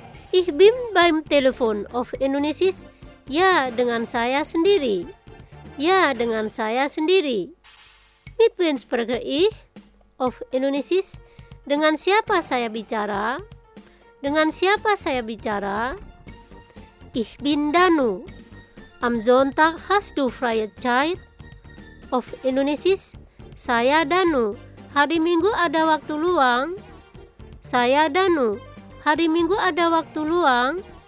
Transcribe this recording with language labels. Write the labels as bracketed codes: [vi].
[de] Ich bin beim Telefon. Auf Indonesisch, [id] ya, dengan saya sendiri. Ya, dengan saya sendiri. [de] Mit wem spreche ich? Auf Indonesisch. [id] Dengan siapa saya bicara? Dengan siapa saya bicara? [de] Ich bin Danu. Am Sonntag hast du freie Zeit? Auf Indonesisch. [id] Saya Danu. Hari Minggu ada waktu luang? Saya Danu. Hari Minggu ada waktu luang?